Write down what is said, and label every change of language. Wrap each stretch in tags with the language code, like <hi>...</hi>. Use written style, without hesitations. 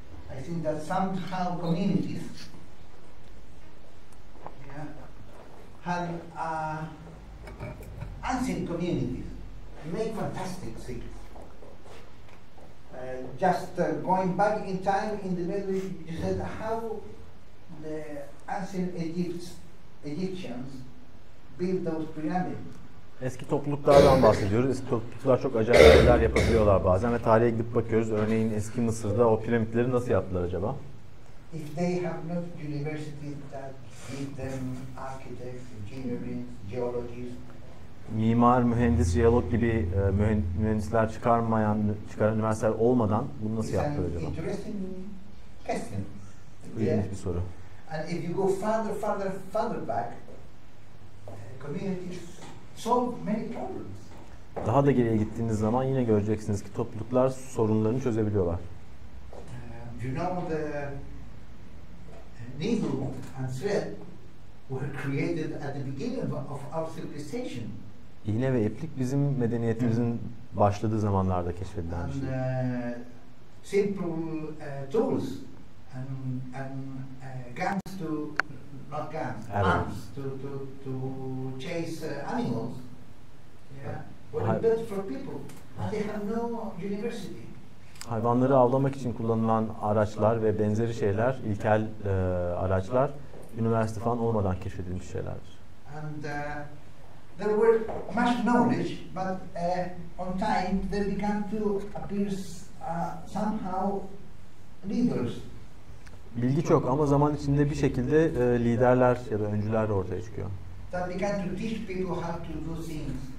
<en>I think that somehow communities, yeah, had ancient communities, make fantastic things. Just going back in time in the Middle East, you said how the ancient Egyptians built those pyramids.</en> <tr>Eski topluluklardan bahsediyoruz. Eski topluluklar çok acayip şeyler yapabiliyorlar bazen ve tarihe gidip bakıyoruz. Örneğin eski Mısır'da o piramitleri nasıl yaptılar acaba?</tr> <en>If they have not university that give them architects, engineers, geologists.</en> <tr>Mimar, mühendis, jeolog gibi mühendisler çıkaran üniversiteler olmadan bunu nasıl yaptılar acaba?</tr> <en>Interesting question.</en> <tr>İlginç bir soru.</tr> <en>And if you go further back, communities solve many problems.</en> <tr>Daha da geriye gittiğiniz zaman yine göreceksiniz ki topluluklar sorunlarını çözebiliyorlar.</tr> <en>You know the needle and thread were created at the beginning of our civilization.</en> <tr>İğne ve iplik bizim medeniyetimizin başladığı zamanlarda keşfedilen şey.</tr> <en>Simple tools and guns to not guns, arms to chase animals. Yeah. What about for people? They have no university.</en> <tr>Hayvanları avlamak için kullanılan araçlar ve benzeri şeyler, ilkel araçlar, üniversite falan olmadan keşfedilmiş şeylerdir.</tr> <en>And there were much knowledge, but on time there began to appear somehow leaders.</en> <tr>Bilgi çok ama zaman içinde bir şekilde liderler ya da öncüler ortaya çıkıyor.</tr> <en>They began to teach people how to do things.</en>